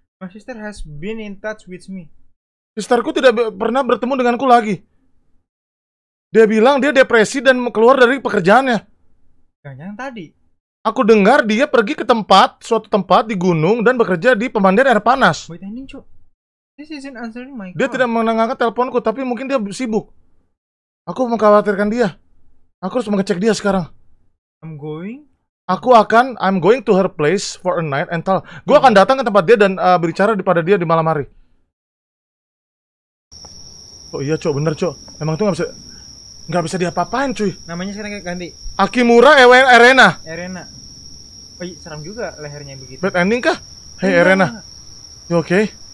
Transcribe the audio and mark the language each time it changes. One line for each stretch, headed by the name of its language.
English: My sister has been in touch with me.
Indonesian: Sisterku tidak pernah bertemu denganku lagi. Dia bilang dia depresi dan keluar dari pekerjaannya. Jangan-jangan tadi. Aku dengar dia pergi ke tempat, suatu tempat di gunung dan bekerja di pemandian air panas.
English: Wait a minute, cu. This isn't answering my call.
Indonesian: Dia tidak mengangkat teleponku, tapi mungkin dia sibuk. Aku mengkhawatirkan dia. Aku harus mengecek dia sekarang.
English: I'm going.
Indonesian: Aku akan,
English: I'm going to her place for a night and tell.
Indonesian: Gua akan datang ke tempat dia dan berbicara kepada dia di malam hari. Oh iya, cu, bener, cu. Emang itu gak bisa... Gak bisa diapa-apain, cuy. Namanya sekarang ganti Akimura Ewen Arena. Arena. Oh, seram juga lehernya begitu.
English: Bad ending
Indonesian: kah? Hey, ya, Arena. Ya, oke. Okay.